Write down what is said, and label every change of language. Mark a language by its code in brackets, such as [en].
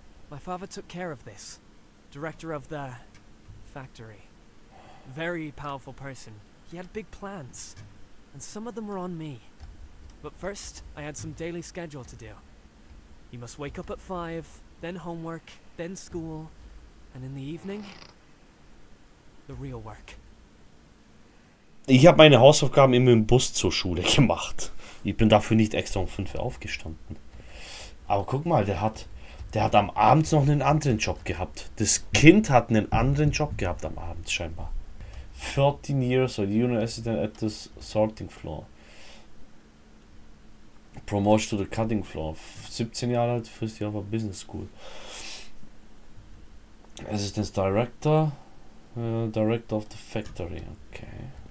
[en] My father took care of this. Director of the factory. Very powerful person. He had big plans. And some of them were on me. But first, I had some daily schedule to do. You must wake up at 5, then homework, then school. And in the evening, the real work. [de] Ich habe meine Hausaufgaben immer im Bus zur Schule gemacht. Ich bin dafür nicht extra um 5 Uhr aufgestanden. Aber guck mal, der hat am Abend noch einen anderen Job gehabt. Das Kind hat einen anderen Job gehabt am Abend, scheinbar. [en] 14 years old, junior assistant at the sorting floor. Promotion to the cutting floor. [de] 17 Jahre alt, [en] first year of a business school. Assistant Director, Director of the Factory, okay.